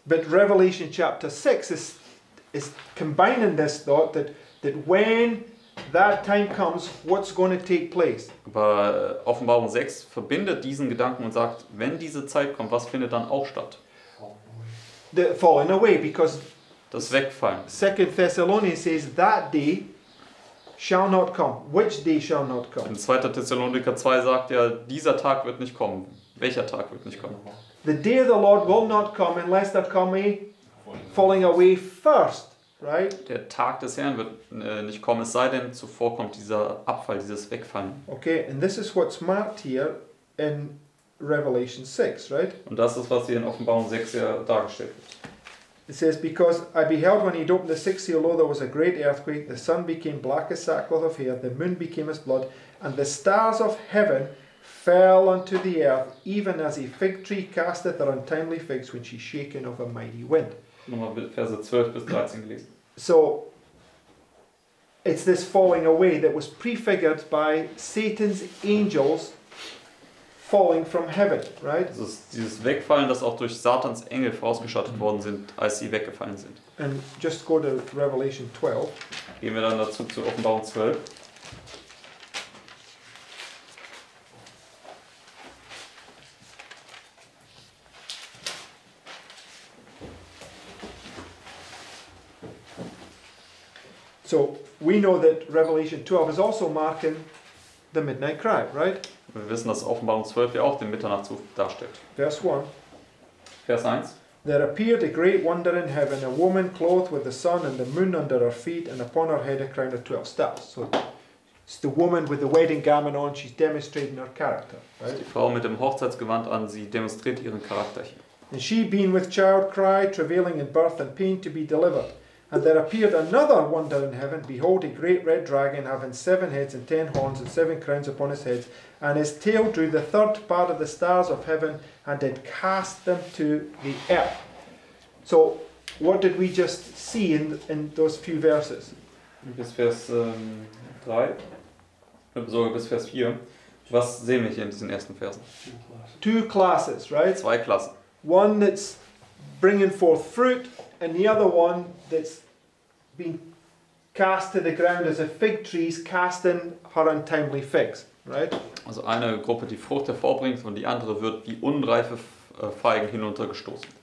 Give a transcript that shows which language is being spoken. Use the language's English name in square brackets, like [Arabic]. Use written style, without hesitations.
[English] But Revelation chapter 6 is combining this thought that when that time comes, what's going to take place? [German] Aber Offenbarung 6 verbindet diesen Gedanken und sagt, wenn diese Zeit kommt, was findet dann auch statt? [English] The falling away, because... [German] Das Wegfallen. [English] 2 Thessalonians says that day shall not come. Which day shall not come? [German] In 2. Thessalonicher 2 sagt ja, dieser Tag wird nicht kommen. Welcher Tag wird nicht kommen? [English] The day of the Lord will not come unless there come a falling away first, right? [German] Der Tag des Herrn wird nicht kommen, es sei denn zuvor kommt dieser Abfall, dieses Wegfallen. [English] Okay, and this is what's marked here in Revelation 6, right? [German] Und das ist was hier in Offenbarung 6 ja dargestellt wird. [English] It says, because I beheld when he opened the sixth seal, lo, there was a great earthquake, the sun became black as sackcloth of hair, the moon became as blood, and the stars of heaven fell unto the earth, even as a fig tree casteth her untimely figs when she's shaken of a mighty wind. [German] Nochmal Verse 12 bis 13 gelesen. [English] So, it's this falling away that was prefigured by Satan's angels falling from heaven, right? [German] Das ist dieses Wegfallen, das auch durch Satans Engel vorausgeschattet worden sind, als sie weggefallen sind. [English] And just go to Revelation 12. [German] Gehen wir dann dazu zu Offenbarung 12. [English] So, we know that Revelation 12 is also marking the midnight cry, right? [German] Wir wissen, dass Offenbarung 12 ja auch den Mitternachtsruf darstellt. Vers 1. Vers 1. [English] There appeared a great wonder in heaven, a woman clothed with the sun and the moon under her feet and upon her head a crown of 12 stars. So it's the woman with the wedding garment on, she's demonstrating her character. Right? [German] Die Frau mit dem Hochzeitsgewand an, sie demonstriert ihren Charakter hier. [English] And she being with child cried, travailing in birth and pain to be delivered. And there appeared another wonder in heaven, behold a great red dragon having 7 heads and 10 horns and 7 crowns upon his head. And his tail drew the third part of the stars of heaven and did cast them to the earth. So, what did we just see in those few verses? [German] Bis Vers 3, sorry, bis Vers 4. Was sehen wir hier in diesen ersten Versen? [English] Two classes, right? [German] Zwei Klassen. [English] One that's bringing forth fruit and the other one that's being cast to the ground as a fig tree's cast in her untimely figs. Right? [German] Also eine Gruppe, die Frucht hervorbringt, und die andere wird wie unreife Feigen hinuntergestoßen.